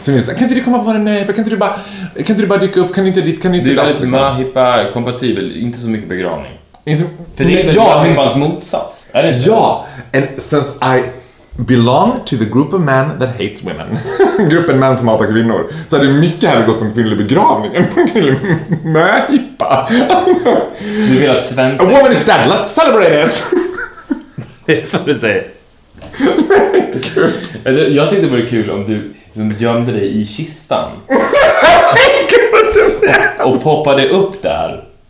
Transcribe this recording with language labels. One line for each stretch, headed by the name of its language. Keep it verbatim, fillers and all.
Swedish: Så jag sa, kan inte du komma på en möhippa? Kan inte du bara, kan inte du bara dyka upp? Kan inte dit? Kan inte du är lite möhippa kompatibel, inte så mycket begravning. Inte, för det är väl ja, möhippans motsats? Är det inte?
English: Ja, and since I belong to the group of men that hates women.
Swedish: Gruppen män som hatar kvinnor. Så hade mycket hellre gått på en kvinnlig begravning än på en kvinnlig möhippa. Du vill att svensk...
English: A woman is dead, let's celebrate it!
Swedish: Det är som du säger. Gud. Jag tyckte det vore kul om du gömde dig i kistan och, och poppade upp där.